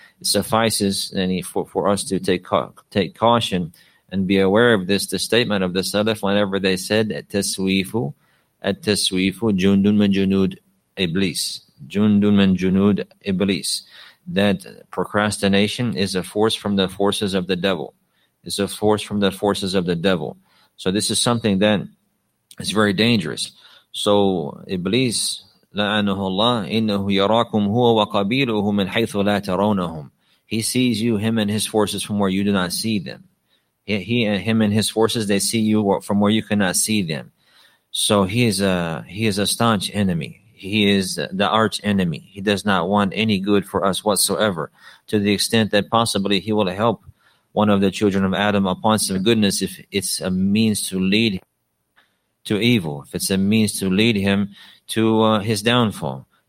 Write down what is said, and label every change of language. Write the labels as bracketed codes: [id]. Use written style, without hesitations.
[en] It suffices for us to take caution and be aware of this, the statement of the Salaf, whenever they said, [ar] at-taswifu jundun min junud iblis, [en] jundun min junud iblis, that procrastination is a force from the forces of the devil. It's a force from the forces of the devil. So this is something that is very dangerous. So Iblis, [ar] لَعَنُهُ اللَّهُ إِنَّهُ يَرَاكُمْ هُوَ وَقَبِيلُهُ مِنْ حَيْثُ لَا تَرَوْنَهُمْ. [en] He sees you, him and his forces, from where you do not see them. He and him and his forces, they see you from where you cannot see them. So he is a staunch enemy. He is the arch enemy. He does not want any good for us whatsoever, to the extent that possibly he will help one of the children of Adam upon some goodness if it's a means to lead to evil, if it's a means to lead him to his downfall.